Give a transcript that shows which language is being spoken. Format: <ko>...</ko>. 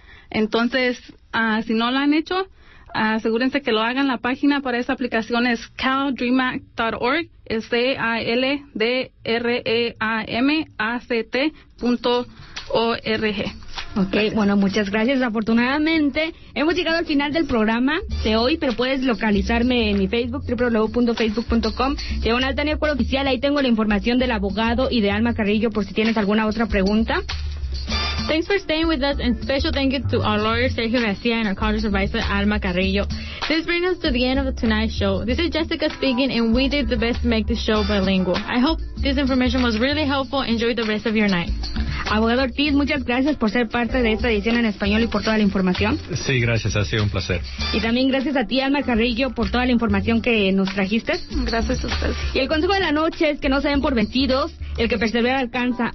<es>Entonces, si no lo han hecho, asegúrense que lo hagan. La página para esa aplicación es caldreamact.org, caldreamact.org. Okay, gracias. Bueno, muchas gracias. Afortunadamente, hemos llegado al final del programa de hoy, pero puedes localizarme en mi Facebook, www.facebook.com. Diagonal Tania Cuero Oficial, ahí tengo la información del abogado y de Alma Carrillo, por si tienes alguna otra pregunta.</es> <en>Thanks for staying with us, and special thank you to our lawyer Sergio Garcia and our college advisor Alma Carrillo. This brings us to the end of tonight's show. This is Jessica speaking, and we did the best to make the show bilingual. I hope this information was really helpful. Enjoy the rest of your night.</en> <es>Abogado Ortiz, muchas gracias por ser parte de esta edición en español y por toda la información. Sí, gracias, ha sido un placer. Y también gracias a ti, Alma Carrillo, por toda la información que nos trajiste. Gracias a usted. Y el consejo de la noche es que no se den por vencidos, el que persevera alcanza.</es>